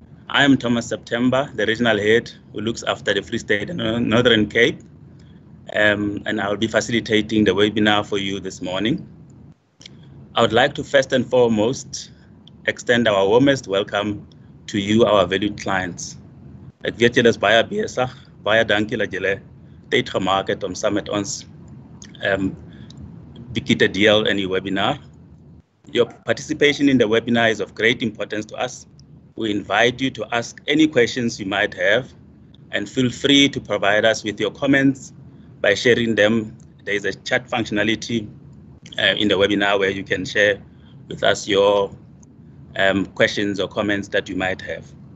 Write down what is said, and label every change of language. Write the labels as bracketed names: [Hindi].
[English] I am Thomas September, the regional head who looks after the Free State and Northern Cape, and I'll be facilitating the webinar for you this morning. I would like to first and foremost extend our warmest welcome to you, our valued clients. [Afrikaans] Ek weet julle is baie besig, baie dankie dat julle tyd gemaak het om saam met ons bietjie te deel in die webinar. [English] Your participation in the webinar is of great importance to us. We invite you to ask any questions you might have and feel free to provide us with your comments by sharing them. There is a chat functionality in the webinar where you can share with us your questions or comments that you might have.